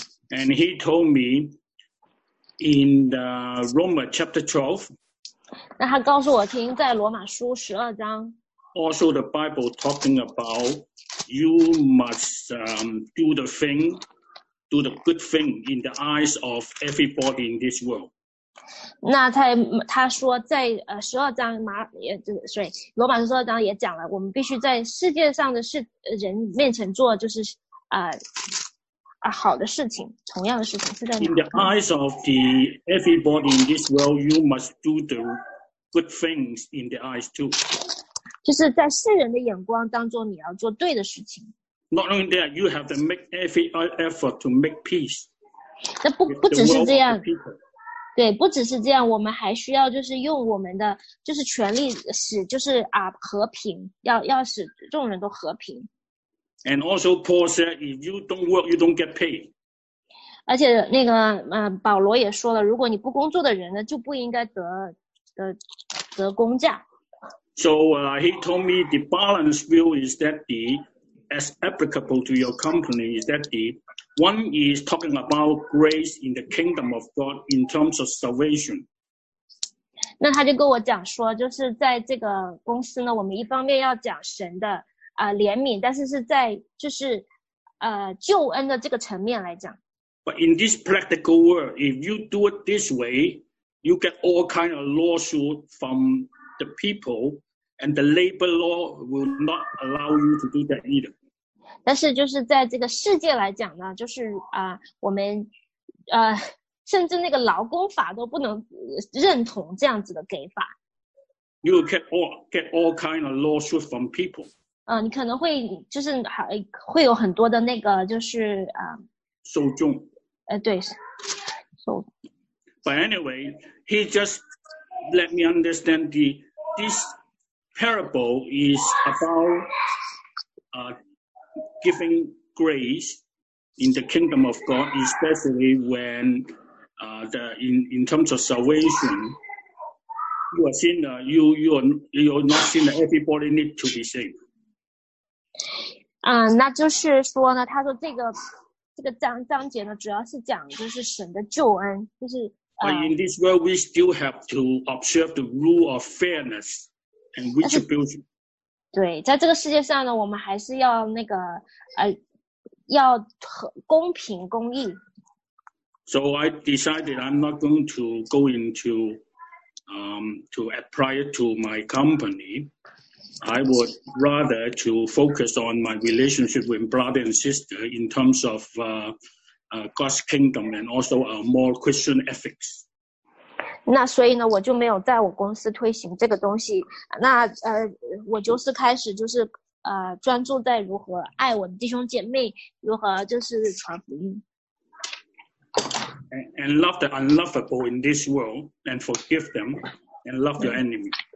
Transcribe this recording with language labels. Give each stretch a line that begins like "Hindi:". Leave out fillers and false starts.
English: And he told me in the Roma chapter 12.
Chinese: 那他告诉我听在罗马书十二章。
English: Also the Bible talking about you must do the thing, do the good thing in the eyes of everybody in this world.
Chinese: 那他说在十二章马也就是所以罗马书十二章也讲了，我们必须在世界上的人面前做就是啊好的事情，同样的事情是在哪里。
English: In the eyes of the everybody in this world, you must do the good things in the eyes too.
Chinese: 就是在世人的眼光当中，你要做对的事情。
English: Not only that, you have to make every effort to make peace.
Chinese: 那不只是这样。对，不只是这样，我们还需要就是用我们的就是权力使就是啊和平，要使众人都和平。
English: And also, Paul said, if you don't work, you don't get paid.
Chinese: 而且那个保罗也说了，如果你不工作的人呢，就不应该得工价。
English: So he told me the balance view is that the as applicable to your company is that the. One is talking about grace in the kingdom of God in terms of salvation.
Chinese: 那他就跟我讲说，就是在这个公司呢，我们一方面要讲神的怜悯，但是是在就是救恩的这个层面来讲。
English: But in this practical world, if you do it this way, you get all kind of lawsuit from the people, and the labor law will not allow you to do that either.
Chinese: 但是就是在这个世界来讲呢，就是我们甚至那个劳工法都不能认同这样子的给法。
English: You will get all kind of lawsuit from people.
Chinese: 你可能会就是会有很多的那个就是受众。对，
English: But anyway, he just let me understand this parable is about giving grace in the kingdom of God, especially when in terms of salvation, you are sinner, you are not sinner, everybody need to be saved.
Chinese: 那就是说呢，他说这个章节呢，主要是讲就是神的救恩，就是。
English: But in this world, we still have to observe the rule of fairness and retribution.
Chinese: 对，在这个世界上呢，我们还是要那个要公平公义。
English: So I decided I'm not going to go into to apply it to my company. I would rather to focus on my relationship with brother and sister in terms of God's kingdom and also a more Christian ethics.
Chinese: 那所以呢，我就没有在我公司推行这个东西。那我就是开始就是专注在如何爱我的弟兄姐妹，如何就是传福音。
English: And love the unlovable in this world, and forgive them, and love your enemy.